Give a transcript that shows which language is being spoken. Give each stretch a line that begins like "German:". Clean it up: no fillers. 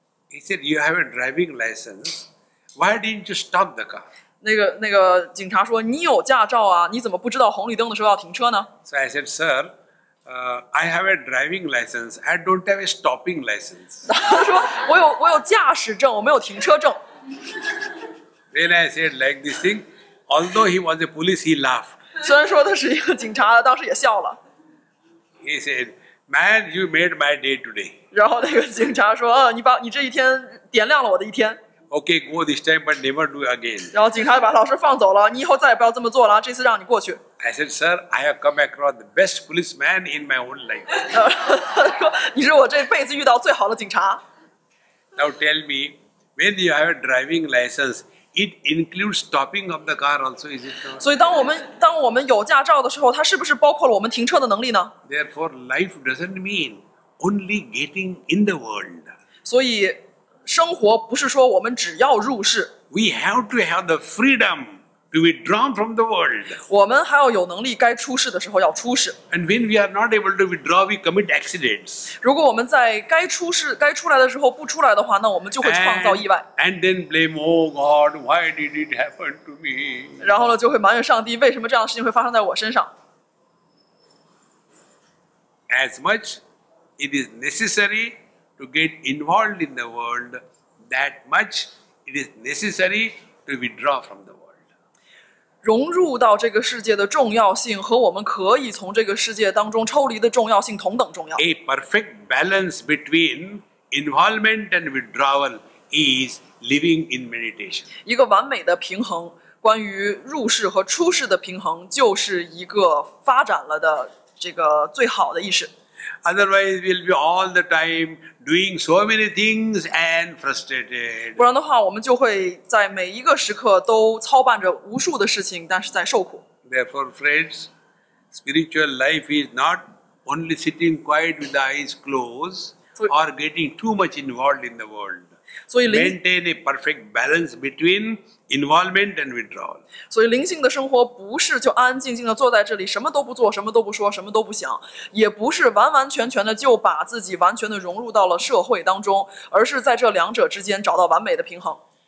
English: He said, you have a driving license. Why didn't you stop the car?
Chinese: 那个警察说你有驾照啊你怎么不知道红绿灯的时候要停车呢
English: So I said, sir, I have a driving license. I don't have a stopping license.
Chinese: 他说我有驾驶证我没有停车证。
English: Then I said, like this thing, although he was a police, he laughed.
Chinese: 虽然说他是一个警察当时也笑了。
English: He said, man, you made my day today.
Chinese: 然后那个警察说、啊、你这一天点亮了我的一天。
English: Okay, go this time, but never do again.
Chinese: 然后警察把老师放走了，你以后再也不要这么做了，这次让你过去。
English: I said, sir, I have come across the best policeman in my own life.
Chinese: 你是我这辈子遇到最好的警察。
English: Now tell me, when you have a driving license, it includes stopping of the car also, is it not?
Chinese: 所以当我们有驾照的时候，它是不是包括了我们停车的能力呢
English: ？Therefore, life doesn't mean only getting in the world.
Chinese: 所以。生活不是说我们只要入世。
English: We have to have the freedom to withdraw from the world.
Chinese: 我们还要有能力该出世的时候要出世。
English: And when we are not able to withdraw, we commit accidents.
Chinese: 如果我们在该出世、该出来的时候不出来的话，那我们就会创造意外。
English: And then blame, oh God, why did it happen to me?
Chinese: 然后呢，就会埋怨上帝，为什么这样的事情会发生在我身上
English: ？As much it is necessary. To get involved in the world, that much it is necessary to withdraw from the world.
Chinese: 融入到这个世界的重要性和我们可以从这个世界当中抽离的重要性同等重要。
English: A perfect balance between involvement and withdrawal is living in meditation.
Chinese: 一个完美的平衡，关于入世和出世的平衡，就是一个发展了的这个最好的意识。
English: Otherwise, we'll be all the time doing so many things and frustrated.
Chinese: 不然的话，我们就会在每一个时刻都操办着无数的事情，但是在受苦。
English: Therefore, friends, spiritual life is not only sitting quiet with the eyes closed or getting too much involved in the world. Maintain a perfect balance between involvement and withdrawal.
Chinese: 所以灵性的生活不是就安安静静的坐在这里，什么都不做，什么都不说，什么都不想，也不是完完全全的就把自己完全的融入到了社会当中，而是在这两者之间找到完美的平衡。